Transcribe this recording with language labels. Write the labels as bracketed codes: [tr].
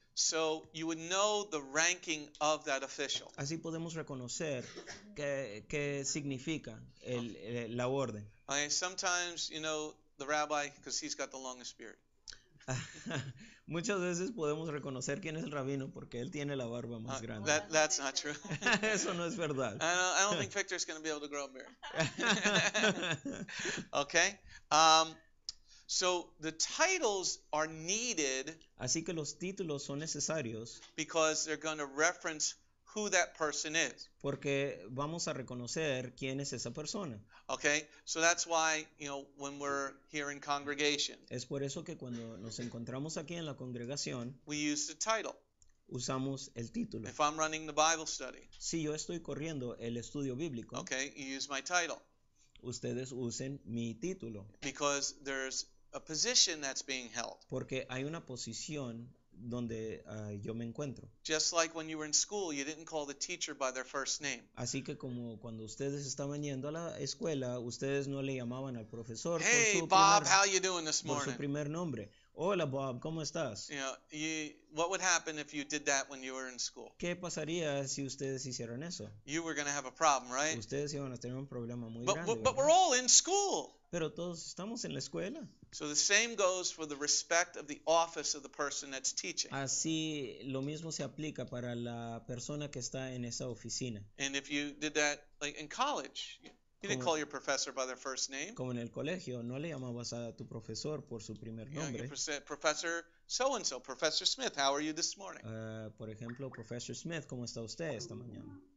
[en] So you would know the ranking of that official. [es] Así podemos reconocer qué significa la orden. [en] Okay, sometimes, you know, the rabbi, because he's got the longest beard. [es] Muchas veces podemos reconocer quién es el rabino porque él tiene la barba más grande. [en] That's not true. [es] Eso no es verdad. [en] I don't think Victor's going to be able to grow a beard. Okay. So the titles are needed. [es] Así que los títulos son necesarios. [en] Because they're going to reference who that person is. [es] Porque vamos a reconocer quién es esa persona. [en] Okay, so that's why, you know, when we're here in congregation. [es] Es por eso que cuando nos encontramos aquí en la congregación. [en] We use the title. [es] Usamos el título. [en] If I'm running the Bible study. [es] Si yo estoy corriendo el estudio bíblico. [en] Okay, you use my title. [es] Ustedes usen mi título. [en] Because there's a position that's being held. [es] Porque hay una posición donde yo me encuentro. [en] Just like when you were in school, you didn't call the teacher by their first name. [es] Así que como cuando ustedes estaban yendo a la escuela, ustedes no le llamaban al profesor por su primer nombre. Hola, Bob, ¿cómo estás? [en] You know, what would happen if you did that when you were in school? [es] ¿Qué pasaría si ustedes hicieran eso? [en] You were going to have a problem, right? [es] Ustedes iban a tener un problema muy grande, ¿verdad? [en] But we're all in school. [es] Pero todos estamos en la escuela. [en] So the same goes for the respect of the office of the person that's teaching. [es] Así lo mismo se aplica para la persona que está en esa oficina. [en] And if you did that like in college, you didn't call your professor by their first name. [es] Como en el colegio, no le llamabas a tu profesor por su primer nombre. [en] You said, Professor so-and-so, Professor Smith, how are you this morning? [es] Por ejemplo, Professor Smith, ¿cómo está usted esta mañana?